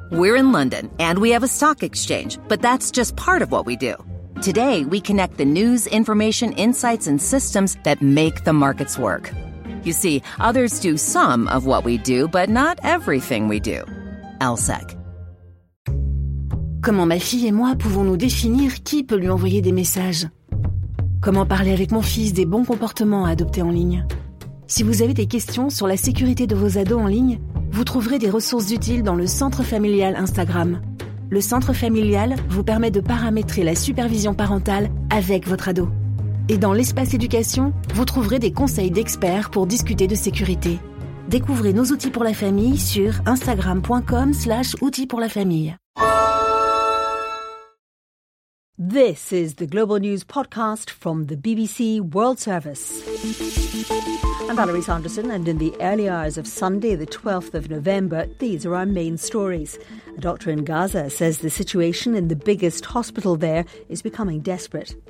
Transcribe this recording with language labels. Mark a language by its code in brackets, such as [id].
[en] We're in London, and we have a stock exchange, but that's just part of what we do. Today, we connect the news, information, insights, and systems that make the markets work. You see, others do some of what we do, but not everything we do. LSEG. [fr] Comment ma fille et moi pouvons-nous définir qui peut lui envoyer des messages? Comment parler avec mon fils des bons comportements à adopter en ligne? Si vous avez des questions sur la sécurité de vos ados en ligne, vous trouverez des ressources utiles dans le Centre Familial Instagram. Le Centre Familial vous permet de paramétrer la supervision parentale avec votre ado. Et dans l'espace éducation, vous trouverez des conseils d'experts pour discuter de sécurité. Découvrez nos outils pour la famille sur instagram.com/outils-pour-la-famille. [en] This is the Global News Podcast from the BBC World Service. I'm Valerie Sanderson, and in the early hours of Sunday, the 12th of November, these are our main stories. A doctor in Gaza says the situation in the biggest hospital there is becoming desperate.